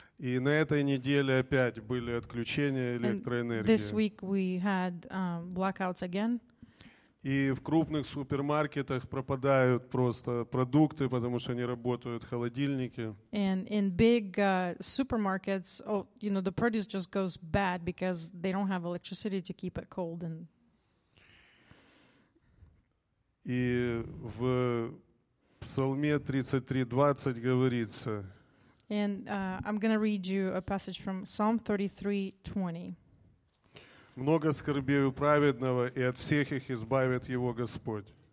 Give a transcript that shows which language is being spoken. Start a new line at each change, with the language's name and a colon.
Russian: И на этой неделе опять были отключения электроэнергии.
English: And this week we had blackouts again.
Russian: И в крупных супермаркетах пропадают просто продукты, потому что не работают холодильники.
English: And in big supermarkets, oh, you know, the produce just goes bad because they don't have electricity to keep it cold. And
Russian: и в Псалме 33:20 говорится.
English: And I'm going to read you a passage from Psalm 33:20.
Russian: Много скорбей у праведного, и от всех их избавит его Господь.